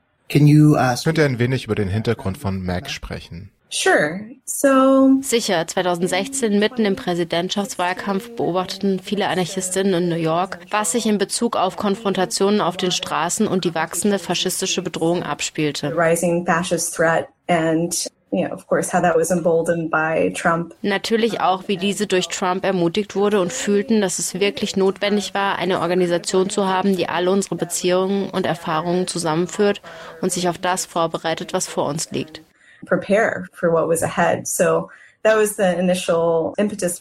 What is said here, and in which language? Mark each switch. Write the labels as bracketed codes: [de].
[en] Can you ask? [de] Könnt ihr ein wenig über den Hintergrund von Mac sprechen? [en] Sure. So. [de] Sicher, 2016, mitten im Präsidentschaftswahlkampf, beobachteten viele Anarchistinnen in New York, was sich in Bezug auf Konfrontationen auf den Straßen und die wachsende faschistische Bedrohung abspielte. [en] The rising fascist threat and of course, how that was emboldened by Trump. [de] Natürlich auch, wie diese durch Trump ermutigt wurde und fühlten, dass es wirklich notwendig war, eine Organisation zu haben, die alle unsere Beziehungen und Erfahrungen zusammenführt und sich auf das vorbereitet, was vor uns liegt. [en] Prepare for what was ahead. So that was the initial impetus.